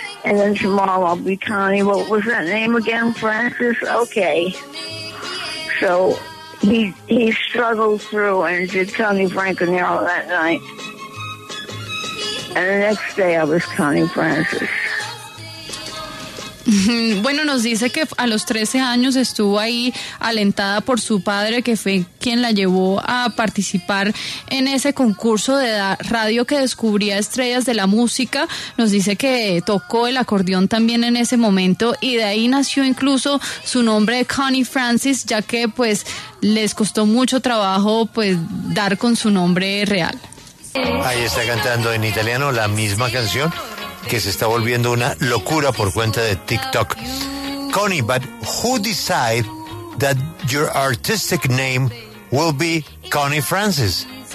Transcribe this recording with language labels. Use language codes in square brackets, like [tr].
[en] And then tomorrow I'll be Connie. What was that name again? Francis? Okay. So he struggled through and did Connie Frankenero that night. And the next day I was Connie Francis. [es] Bueno, nos dice que a los 13 años estuvo ahí alentada por su padre, que fue quien la llevó a participar en ese concurso de radio que descubría estrellas de la música. Nos dice que tocó el acordeón también en ese momento y de ahí nació incluso su nombre de Connie Francis, ya que pues les costó mucho trabajo pues dar con su nombre real. Ahí está cantando en italiano la misma canción, que se está volviendo una locura por cuenta de TikTok. [en] Connie, but who decide that your artistic name will be Connie Francis?